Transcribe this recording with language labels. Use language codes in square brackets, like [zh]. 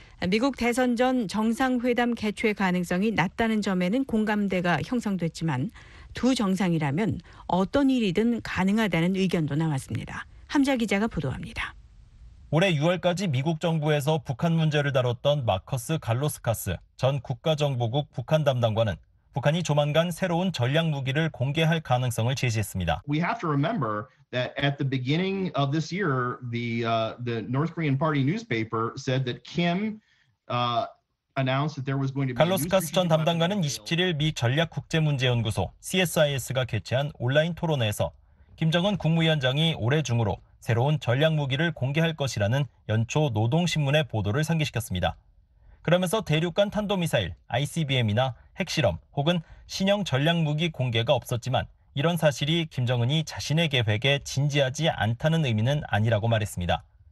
[ko] 미국 대선 전 정상회담 개최 가능성이 낮다는 점에는 공감대가 형성됐지만 두 정상이라면 어떤 일이든 가능하다는 의견도 나왔습니다. 함자 기자가 보도합니다. 올해 6월까지 미국 정부에서 북한 문제를 다뤘던 마커스 갈로스카스 전 국가정보국 북한 담당관은 북한이 조만간 새로운 전략 무기를 공개할 가능성을 제시했습니다. [en] We have to remember that at the beginning of this year, the North Korean Party newspaper said that Kim announced that there was going to be. [ko] 갈로스카스 전 담당관은 27일 미 전략 국제 문제 연구소 CSIS가 개최한 온라인 토론회에서 김정은 국무위원장이 올해 중으로 새로운 전략 무기를 공개할 것이라는 연초 노동신문의 보도를 상기시켰습니다. 그러면서 대륙간 탄도미사일 ICBM이나 핵실험 혹은 신형 전략무기 공개가 없었지만 이런 사실이 김정은이 자신의 계획에 진지하지 않다는 의미는 아니라고 말했습니다.